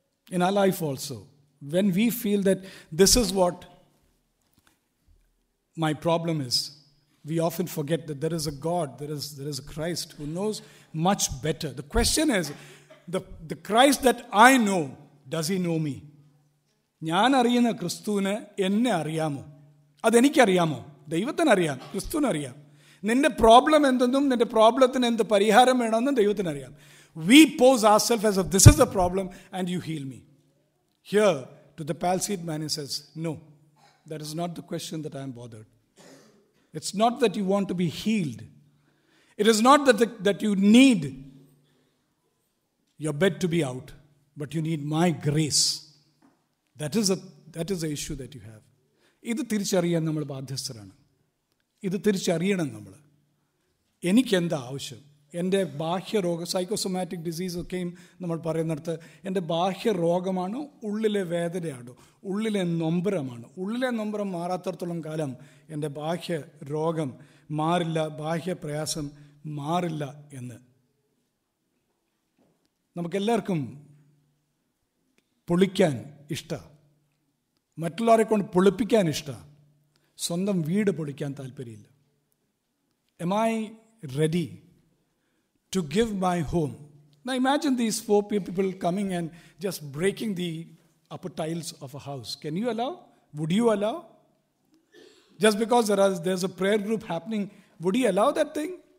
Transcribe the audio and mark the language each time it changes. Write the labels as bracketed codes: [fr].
[en] In our life also, when we feel that this is what my problem is, we often forget that there is a God, there is a Christ who knows much better. The question is, the Christ that I know, does he know me? [ml] ഞാൻ അറിയുന്ന ക്രിസ്തുവിനെ എന്നെ അറിയാമോ? അതെനിക്കറിയാമോ? ദൈവത്തിനറിയാം, ക്രിസ്തുവിനറിയാം. നിന്റെ problem എന്തെന്നും നിന്റെ പ്രോബ്ലത്തിന് എന്ത് പരിഹാരം വേണമെന്നും ദൈവത്തിനറിയാം. [en] We pose ourselves as if this is the problem and you heal me. Here, to the palsied man, he says, no, that is not the question that I am bothered. It's not that you want to be healed. It is not that that you need your bed to be out, but you need my grace. That is the issue that you have. [ml] ഇത് തിരിച്ചറിയാൻ നമ്മൾ ബാധ്യസ്ഥരാണ്. ഇത് തിരിച്ചറിയണം നമ്മൾ. എനിക്കെന്താ ആവശ്യം? എൻ്റെ ബാഹ്യരോഗ സൈക്കോസൊമാറ്റിക് ഡിസീസ് ഒക്കെയും നമ്മൾ പറയുന്നിടത്ത് എൻ്റെ ബാഹ്യ രോഗമാണോ ഉള്ളിലെ വേദനയാണോ ഉള്ളിലെ നൊമ്പരമാണോ? ഉള്ളിലെ നൊമ്പരം മാറാത്തടത്തോളം കാലം എൻ്റെ ബാഹ്യ രോഗം മാറില്ല, ബാഹ്യ പ്രയാസം മാറില്ല എന്ന്. നമുക്കെല്ലാവർക്കും പൊളിക്കാൻ ഇഷ്ട, മറ്റുള്ളവരെ കൊണ്ട് പൊളിപ്പിക്കാൻ ഇഷ്ട, സ്വന്തം വീട് പൊളിക്കാൻ താല്പര്യമില്ല. [en] Am I ready to give my home? Now imagine these four people coming and just breaking the upper tiles of a house. Can you allow? Would you allow? Just because there's a prayer group happening, would he allow that thing?